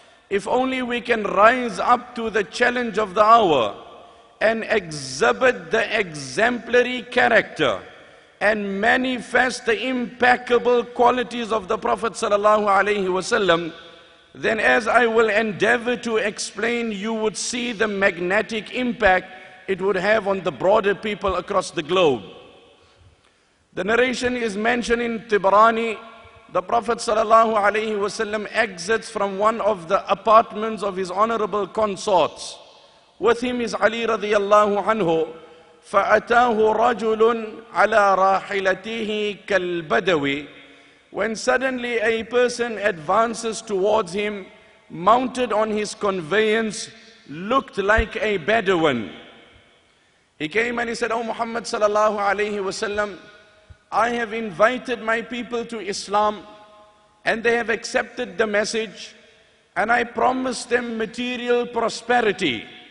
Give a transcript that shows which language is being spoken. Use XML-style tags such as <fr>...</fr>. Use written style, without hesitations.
<en>If only we can rise up to the challenge of the hour and exhibit the exemplary character and manifest the impeccable qualities of the Prophet sallallahu alaihi wasallam, then as I will endeavor to explain, you would see the magnetic impact it would have on the broader people across the globe. The narration is mentioned in Tibrani. The Prophet sallallahu alaihi wasallam exits from one of the apartments of his honorable consorts. With him is Ali radiyallahu anhu.</en> <ar>فأتاه رجل على راحلته كالبدوي.</ar> <en>When suddenly a person advances towards him, mounted on his conveyance, looked like a Bedouin. He came and he said, "O Muhammad sallallahu alayhi wasallam, I have invited my people to Islam and they have accepted the message, and I promised them material prosperity.</en>